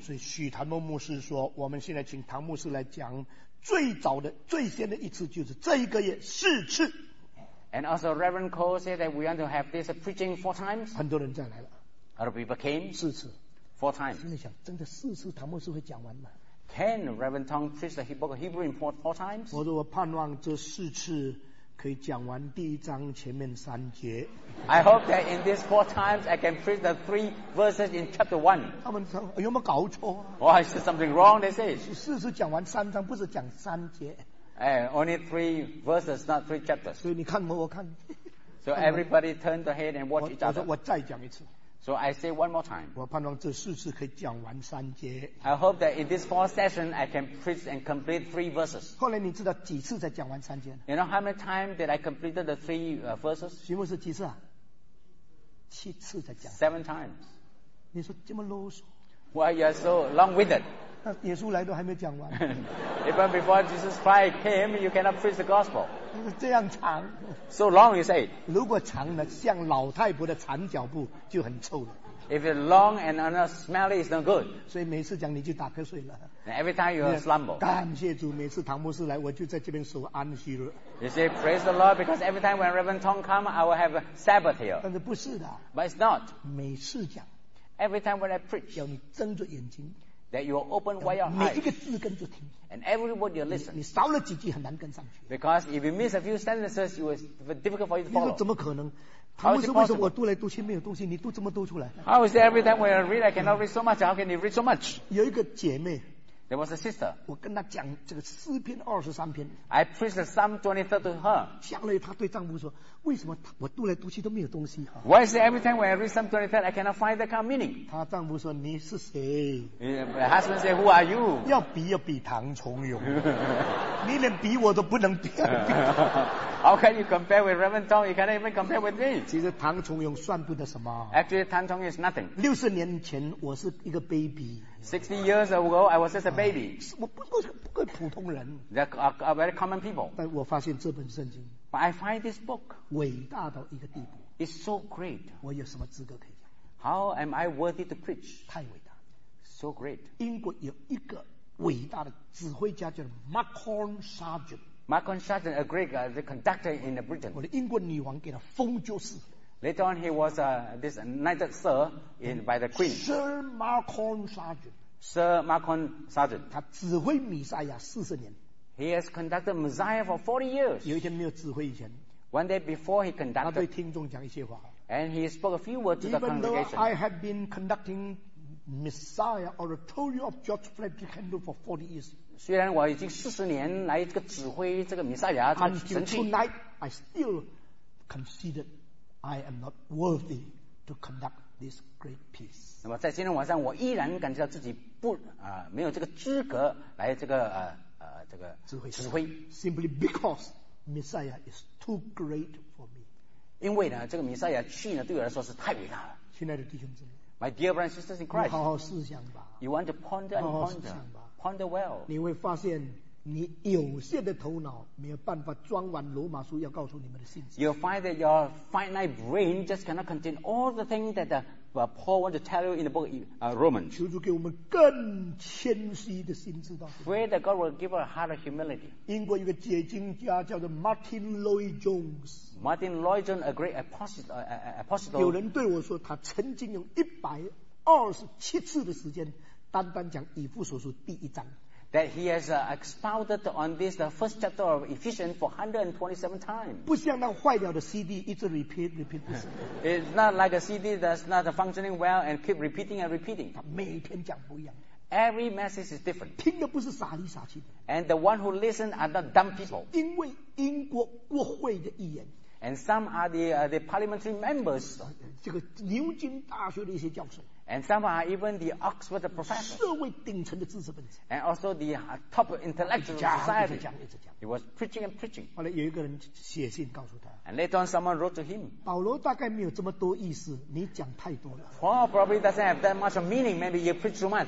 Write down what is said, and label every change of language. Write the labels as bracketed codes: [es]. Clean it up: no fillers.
[zh] 所以许谭牧师说，我们现在请唐牧师来讲最早的、最先的一次，就是这一个月四次。 [en] And also Reverend Cole said that we want to have this preaching four times. [zh] 很多人再来了。 [en] Other people came. [zh] 四次。 [en] Four times. [zh] 心里想，真的四次唐牧师会讲完吗？ [en] Can Reverend Tong preach the book of Hebrew in four times? [zh] 我说我盼望这四次可以讲完第一章前面三节。 [en] I hope that in these four times I can preach the three verses in chapter one. [zh] 他们说有没有搞错？ [en] Oh, is there something wrong? They say. [zh] 四次讲完三章，不是讲三节。 [en] Only three verses, not three chapters. [zh] 所以你看我，我看。 [en] So everybody turn the head and watch each other. [zh] 我再讲一次。 [en] So I say one more time. [zh] 我盼望这四次可以讲完三节。 [en] I hope that in this four session I can preach and complete three verses. [zh] 后来你知道几次才讲完三节？ [en] You know how many times did I completed the three verses? [zh] 徐牧师几次啊？七次才讲。 [en] Seven times. [zh] 你说这么啰嗦。 [en] Why you are so long-winded? [zh] 那耶稣来都还没讲完。 [en] Even before Jesus Christ came, you cannot preach the gospel. [zh] 这样长。 [en] So long, you say. [zh] 如果长了，像老太婆的长脚步就很臭了。 [en] If it's long and not smelly, it's no good. [zh] 所以每次讲你就打瞌睡了。 [en] And every time you slumber. [zh] 感谢主，每次唐牧师来，我就在这边守安息日。 [en] You say praise the Lord because every time when Reverend Tong come, I will have a Sabbath here. [zh] 但是不是的。 [en] But it's not. [zh] 每次讲。 [en] Every time when I preach, [zh] 要你睁着眼睛。 [en] That you will open wide your eyes. [zh] 每一个字跟着听。 [en] And everybody will listen. [zh] 你少了几句很难跟上去。 [en] Because if you miss a few sentences, it was difficult for you to follow. [zh] 怎么可能？唐牧师为什么我读来读去没有东西，你读这么多出来 [en] ？How is it every time when I read, I cannot read so much? How can you read so much? [zh] 有一个姐妹。 [en] There was a sister. [zh] 我跟她讲这个诗篇二十三篇。 [en] I preached the Psalm 23 to her. [zh] 下来她对丈夫说：“为什么我读来读去都没有东西？” [en] Why is it every time when I read Psalm 23, I cannot find the kind of meaning? [zh] 她丈夫说：“你是谁？” [en] My husband said, "Who are you?" [zh] 要比要比唐崇荣，你连比我都不能比。 [en] How can you compare with Reverend Tong? You cannot even compare with me. [zh] 其实唐崇荣算不得什么。 [en] Actually, Tan Chong is nothing. [zh] 六十年前我是一个 baby. [en] 60 years ago, I was just a baby. [zh] 我不是普通人。 [en] They're very common people. [zh] 但我发现这本圣经。 [en] But I find this book. [zh] 伟大到一个地步。 [en] It's so great. [zh] 我有什么资格可以讲 [en] ？How am I worthy to preach? [zh] 太伟大。 [en] So great. [zh] 英国有一个伟大的指挥家叫 Macon Sargent。 [en] Macon Sargent, a great the conductor in Britain. [zh] 我的英国女王给他封爵士。 [en] Later on, he was this knighted sir by the queen. Sir Macon Sargent. Sir Macon Sargent. [zh] 他指挥弥赛亚四十年。 [en] He has conducted Messiah for 40 years. [zh] 有一天没有指挥以前。 [en] One day before he conducted. [zh] 他对听众讲一些话。 [en] And he spoke a few words to the congregation. Even though I had been conducting Messiah oratorio of George Frederick Handel for 40 years. [zh] 虽然我已经四十年来这个指挥这个弥赛亚的神器。 [en] Until tonight, I still considered. I am not worthy to conduct this great piece. [zh] 那么在今天晚上，我依然感觉到自己不啊、没有这个资格来这个这个指挥。 [en] Simply because Messiah is too great for me. [zh] 因为呢，这个弥赛亚去呢，对我来说是太伟大了。亲爱的弟兄姊妹 [en] ，My dear brothers and sisters in Christ， [zh] 好好思想吧。 [en] You want to ponder and ponder well. [zh] 你会发现。你有限的头脑没有办法装完罗马书要告诉你们的信息。 [en] You'll find that your finite brain just cannot contain all the things that Paul wants to tell you in the book Romans. [zh] 求主给我们更谦虚的心智到。 [en] Pray that God will give us a heart of humility. [zh] 英国有个解经家叫做 Martin Lloyd Jones. [en] Martin Lloyd Jones, a great apostle. [zh] 有人对我说，他曾经用127次的时间，单单讲以弗所书第一章。 [en] That he has expounded on this the first chapter of Ephesians for 127 times. [zh] 不像那坏掉的 CD 一直 repeat 不是。 [en] It's not like a CD that's not functioning well and keep repeating and repeating. [zh] 他每天讲不一样。 [en] Every message is different. [zh] 听的不是傻里傻气的。 [en] And the one who listen are not dumb people. [zh] 因为英国国会的议员。 [en] And some are the parliamentary members. [zh] 这个牛津大学的一些教授。 [en] And some are even the Oxford professors. And also the top intellectual society. He was preaching and preaching. And later on, someone wrote to him. Paul probably doesn't have that much of meaning. Maybe you preach too much.